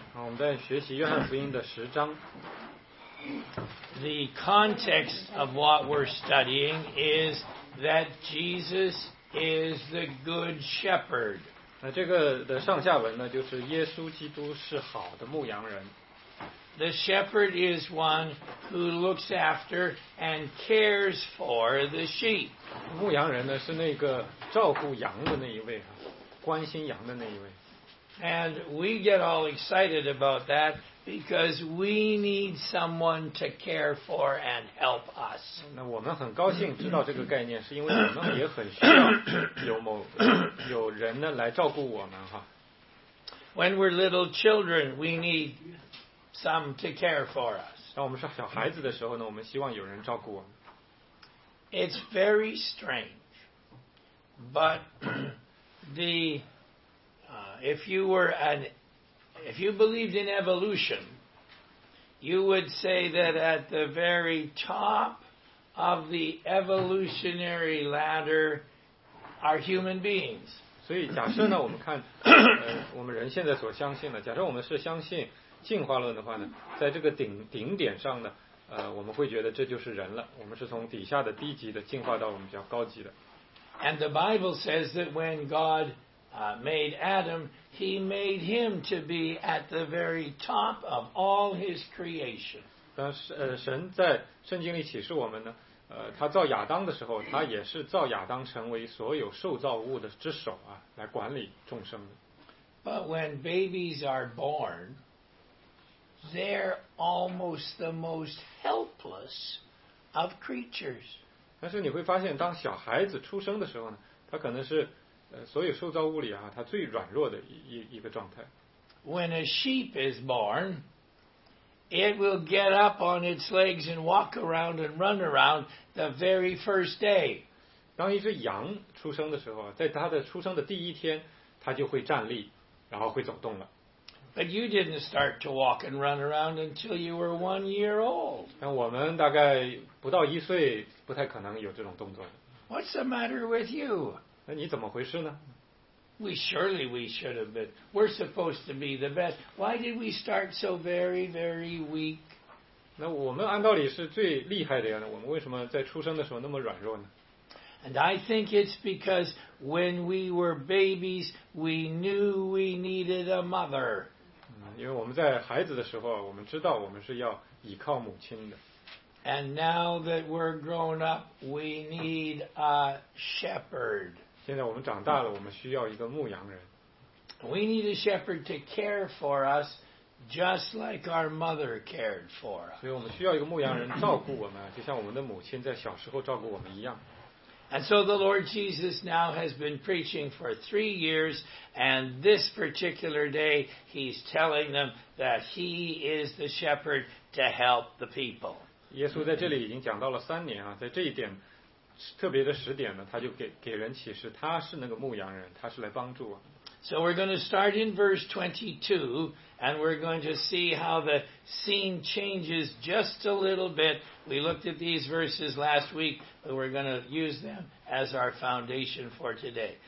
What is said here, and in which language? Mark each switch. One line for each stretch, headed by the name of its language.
Chinese: 好，我们在学习约翰福音的十章。
English: The context of what we're studying is that Jesus is the good shepherd.
Chinese: 那这个的上下文呢，就是耶稣基督是好的牧羊人。
English: The shepherd is one who looks after and cares for the sheep.
Chinese: 牧羊人呢，是那个照顾羊的那一位啊，关心羊的那一位。
English: And we get all excited about that because we need someone to care for and help us.
Chinese: 那我们很高兴知道这个概念，是因为我们也很需要有人呢来照顾我们哈。
English: When we're little children, we need some to care for us.
Chinese: 当我们是小孩子的时候呢，我们希望有人照顾我们。
English: It's very strange, but the if you believed in evolution, you would say that at the very top of the evolutionary ladder are human beings.
Chinese: 所以假设呢，我们看，我们人现在所相信的，假设我们是相信进化论的话呢，在这个顶点上呢，我们会觉得这就是人了。我们是从底下的低级的进化到我们比较高级的。
English: And the Bible says that when God made Adam, he made him to be at the very top of all his creation.
Chinese: 但是神在圣经里启示我们呢，他造亚当的时候，他也是造亚当成为所有受造物的之首啊，来管理众生的。
English: But when babies are born, they're almost the most helpless of creatures.
Chinese: 但是你会发现，当小孩子出生的时候呢，他可能是所有受造物里啊，它最软弱的一个状态。
English: When a sheep is born, it will get up on its legs and walk around and run around the very first day.
Chinese: 当一只羊出生的时候，在它的出生的第一天，它就会站立，然后会走动了。
English: But you didn't start to walk and run around until you were 1 year old.
Chinese: 但我们大概不到一岁，不太可能有这种动作。
English: What's the matter with you?
Chinese: 那你怎么回事呢？
English: We surely we should have been. We're supposed to be the best. Why did we start so very, very weak?
Chinese: 那我们按道理是最厉害的呀，我们为什么在出生的时候那么软弱呢？
English: And I think it's because when we were babies, we knew we needed a mother.
Chinese: 因为我们在孩子的时候，我们知道我们是要依靠母亲的。
English: And now that we're grown up, we need a shepherd.
Chinese: 现在我们长大了，我们需要一个牧羊人。
English: We need a shepherd to care for us, just like our mother cared for us.
Chinese: 所以我们需要一个牧羊人照顾我们，就像我们的母亲在小时候照顾我们一样。
English: And so the Lord Jesus now has been preaching for 3 years, and this particular day he's telling them that he is the shepherd to help the people.
Chinese: 耶稣在这里已经讲到了三年啊，在这一点特别的时点呢，他就给人启示，他是那个牧羊人，他是来帮助我。
English: So we're going to start in verse 22, and we're going to see how the scene changes just a little bit. We looked at these verses last week, but we're going to use them as our foundation for today.